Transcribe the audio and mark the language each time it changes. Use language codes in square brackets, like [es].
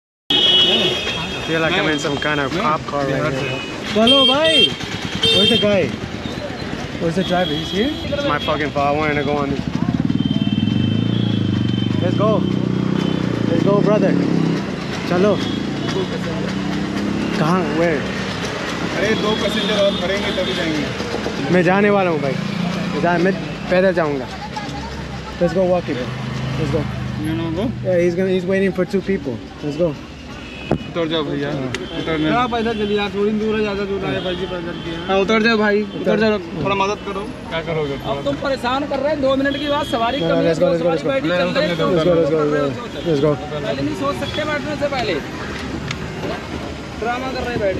[en] I feel like I'm in some kind of cop car right here. Hello, bhai! Where's the guy? Where's the driver? He's here? It's my fucking fault. I wanted to go on this. Let's go. Let's go, brother. Chalo. Where? [hi] मैं जाने वाला हूँ भाई, मैं पैदल जाऊँगा. [en] Let's go walking. Let's go. You know go? Yeah, he's waiting for two people. Let's go. [hi] उतर जाओ भैया. उतर ले. क्या पैदल चली यार, थोड़ी दूर है, ज़्यादा दूर है भाई जी, पैदल की. हाँ उतर जाओ भाई. उतर जाओ. थोड़ा मदद करो. क्या करोगे? अब तुम परेशान कर रहे हैं. दो मिनट के बाद सवारी कम है. [en] Let's go. Let's go. Let's go. Let's go. Let's go. Let's go. [hi] पहले नहीं सोच सकते बैठने से पहले. ड्रामा कर रहे बैठ